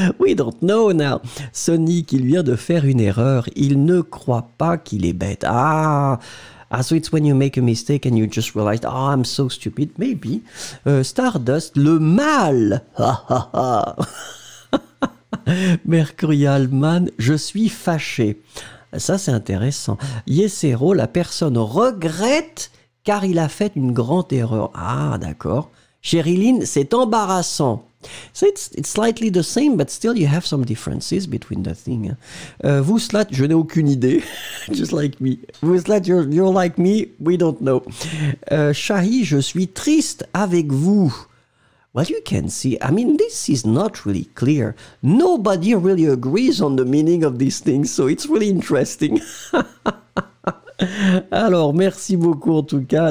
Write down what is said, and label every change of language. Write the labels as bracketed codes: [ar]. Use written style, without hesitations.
[en] We don't know now. [fr] Sonny qui vient de faire une erreur. Il ne croit pas qu'il est bête. [en] Ah, so it's when you make a mistake and you just realize, oh, I'm so stupid, maybe. Stardust, [fr] le mal. [en] Ha, ha, ha. [fr] Mercurial Man, je suis fâché. Ça, c'est intéressant. Yesero, la personne regrette car il a fait une grande erreur. Ah, d'accord. Sherilyn, c'est embarrassant. [en] So it's slightly the same, but still you have some differences between the thing. Vous, Slat, [fr] je n'ai aucune idée. [en] Just like me. Vous, Slat, you're like me. We don't know. [fr] Shahi, je suis triste avec vous. [en] Well, you can see, I mean, this is not really clear. Nobody really agrees on the meaning of these things, so it's really interesting. [fr] Alors, merci beaucoup en tout cas.